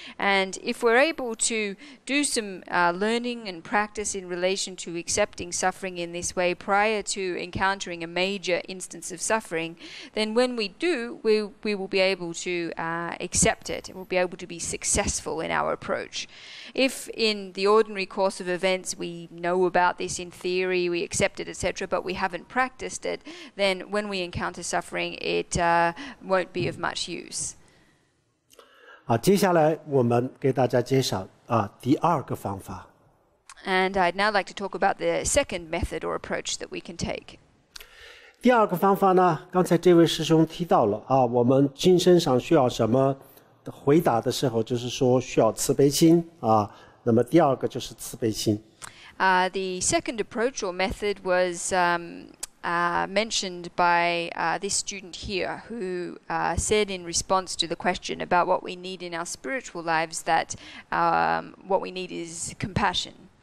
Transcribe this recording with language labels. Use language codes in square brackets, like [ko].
[en] And if we're able to do some learning and practice in relation to accepting suffering in this way prior to encountering a major instance of suffering, then when we do, we will be able to accept it. We'll be able to be successful in our approach. If in the ordinary course of events we know about this in theory, we accept it, etc., but we haven't practiced it, then when we encounter suffering, it won't be of much use. [zh] 接下来我们给大家介绍第二个方法。 [en] And I'd now like to talk about the second method or approach that we can take. [zh] 第二个方法呢，刚才这位师兄提到了我们精神上需要什么回答的时候，就是说需要慈悲心那么第二个就是慈悲心。 [en] The second approach or method was mentioned by this student here, who said in response to the question about what we need in our spiritual lives that what we need is compassion.